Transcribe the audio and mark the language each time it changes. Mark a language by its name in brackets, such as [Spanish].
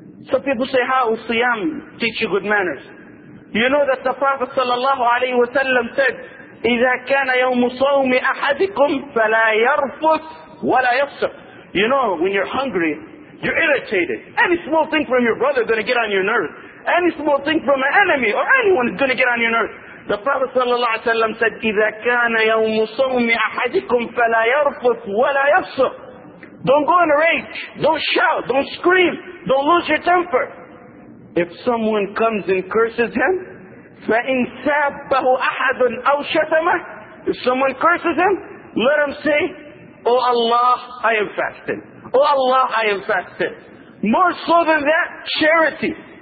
[English] Some people say, how will Siyam teach you good manners? You know that the Prophet sallallahu alayhi wa sallam said, [Arabic] إِذَا كَانَ يَوْمُ صَوْمِ أَحَدِكُمْ فَلَا يَرْفُثْ وَلَا يَفْسُقْ. [English] You know, when you're hungry, you're irritated. Any small thing from your brother is going to get on your nerves. Any small thing from an enemy or anyone is going to get on your nerves. The Prophet sallallahu alayhi wa sallam said, [Arabic] إِذَا كَانَ يَوْمُ صَوْمِ أَحَدِكُمْ فَلَا يَرْفُثْ وَلَا يَفْسُقْ. [English] Don't go in a rage. Don't shout. Don't scream. Don't lose your temper. If someone comes and curses him, [Arabic] فَإِن سَابَّهُ أَحَدٌ أَوْ شَتَمَهُ. [English] If someone curses him, let him say, Oh Allah, I am fasting. Oh Allah, I am fasting. More so than that, charity.